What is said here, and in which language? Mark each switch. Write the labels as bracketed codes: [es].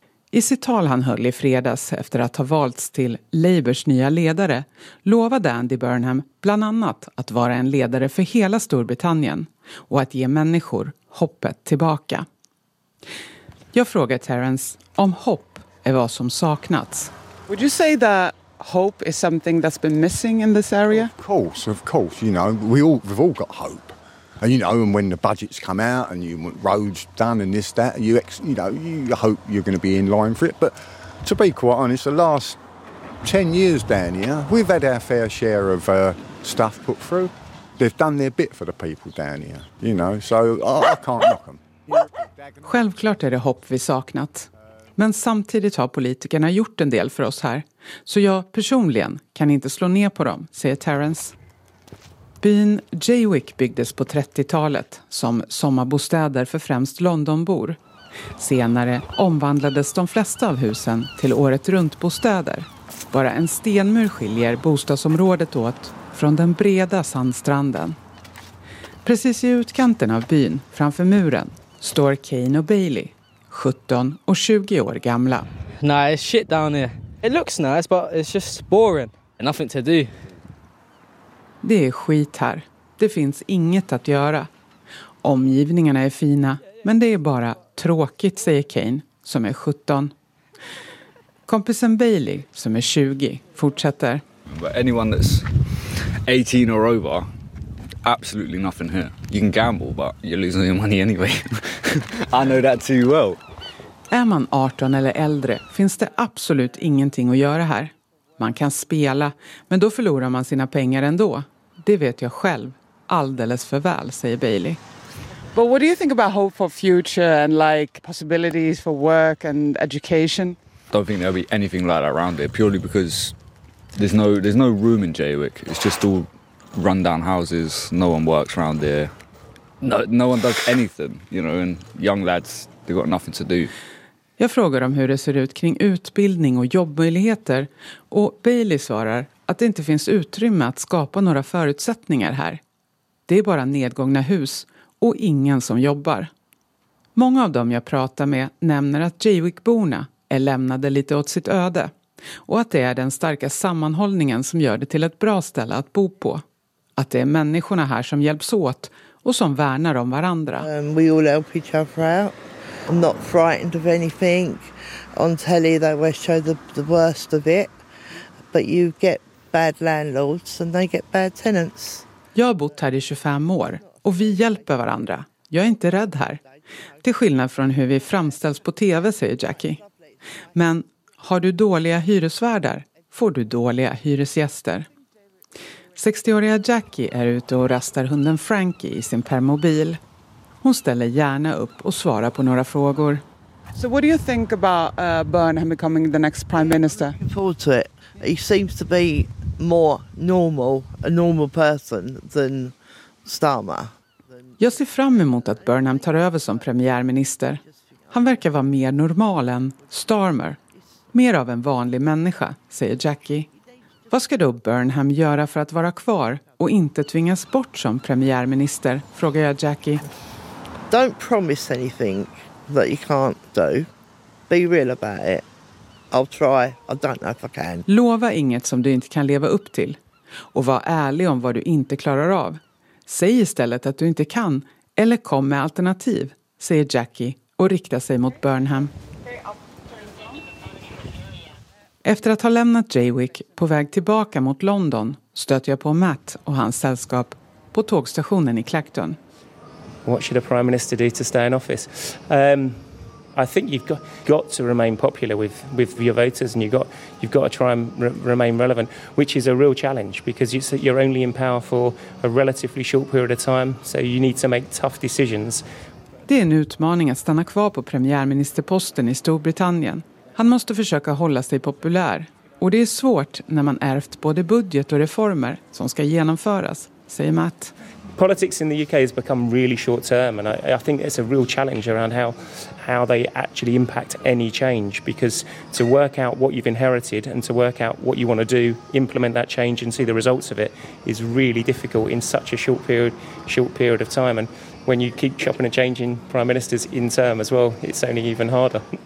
[sv] I sitt tal han höll i fredags efter att ha valts till Labours nya ledare lovade Andy Burnham bland annat att vara en ledare för hela Storbritannien och att ge människor hoppet tillbaka. Jag frågar Terence om hopp är vad som saknats. [en] Would you say that hope is something that's been missing in this area? Of course, you know, we've all got hope. And you know, and when the budget's come out and you want roads done and this that, you hope you're going to be in line for it. But to be quite honest, the last 10 years down here, we've had our fair share of stuff put through. They've done their bit for the people down here, you know, so I can't knock them. [sv] Självklart är det hopp vi saknat. Men samtidigt har politikerna gjort en del för oss här. Så jag personligen kan inte slå ner på dem, säger Terence. Byn Jaywick byggdes på 30-talet som sommarbostäder för främst Londonbor. Senare omvandlades de flesta av husen till året runt bostäder. Bara en stenmur skiljer bostadsområdet åt från den breda sandstranden. Precis i utkanten av byn, framför muren, står Kane och Bailey, 17 och 20 år gamla. [en] Nej, nice shit down here. It looks nice, but it's just boring. Nothing to do. [sv] Det är skit här. Det finns inget att göra. Omgivningarna är fina, men det är bara tråkigt, säger Kane, som är 17. Kompisen Bailey, som är 20, fortsätter. [en] But anyone that's 18 or over, absolutely nothing here. You can gamble, but you're losing your money anyway. I know that too well. [sv] Är man 18 eller äldre finns det absolut ingenting att göra här. Man kan spela, men då förlorar man sina pengar ändå. Det vet jag själv alldeles för väl, säger Bailey. [en] But what do you think about hope for future and like possibilities for work and education? Don't think there'll be anything like that around there, purely because there's no room in Jaywick. It's just all run down houses, no one works around there. No one does anything, you know, and young lads, they've got nothing to do. [sv] Jag frågar om hur det ser ut kring utbildning och jobbmöjligheter och Bailey svarar att det inte finns utrymme att skapa några förutsättningar här. Det är bara nedgångna hus och ingen som jobbar. Många av dem jag pratar med nämner att Jaywick-borna är lämnade lite åt sitt öde och att det är den starka sammanhållningen som gör det till ett bra ställe att bo på. Att det är människorna här som hjälps åt och som värnar om varandra. [en] We all help each other out. I'm not frightened of anything. On telly they always show the worst of it. But you get bad landlords and they get bad tenants. [sv] Jag har bott här i 25 år och vi hjälper varandra. Jag är inte rädd här. Till skillnad från hur vi framställs på tv, säger Jackie. Men har du dåliga hyresvärdar får du dåliga hyresgäster. 60-åriga Jackie är ute och rastar hunden Frankie i sin permobil. Hon ställer gärna upp och svarar på några frågor. [en] So what do you think about Burnham becoming the next prime minister? I'm looking forward to it. He seems to be more normal, a normal person than Starmer. [sv] Jag ser fram emot att Burnham tar över som premiärminister. Han verkar vara mer normal än Starmer. Mer av en vanlig människa, säger Jackie. Vad ska då Burnham göra för att vara kvar och inte tvingas bort som premiärminister, frågar jag Jackie. [en] Don't promise anything that you can't do. Be real about it. I'll try. I don't know if I can. [sv] Lova inget som du inte kan leva upp till. Och var ärlig om vad du inte klarar av. Säg istället att du inte kan, eller kom med alternativ, säger Jackie och riktar sig mot Burnham. Efter att ha lämnat Jaywick på väg tillbaka mot London stöter jag på Matt och hans sällskap på tågstationen i Clacton. [en] What should a prime minister do to stay in office? I think you've got to remain popular with your voters and you've got to try and remain relevant, which is a real challenge because you're only in power for a relatively short period of time, so you need to make tough decisions. [sv] Det är en utmaning att stanna kvar på premiärministerposten i Storbritannien. Han måste försöka hålla sig populär. Och det är svårt när man ärvt både budget och reformer som ska genomföras, säger Matt. [en] Politics in the UK has become really short term and I think it's a real challenge around how they actually impact any change, because to work out what you've inherited and to work out what you want to do, implement that change and see the results of it is really difficult in such a short period of time, and when you keep chopping and changing prime ministers in term as well, it's only even harder.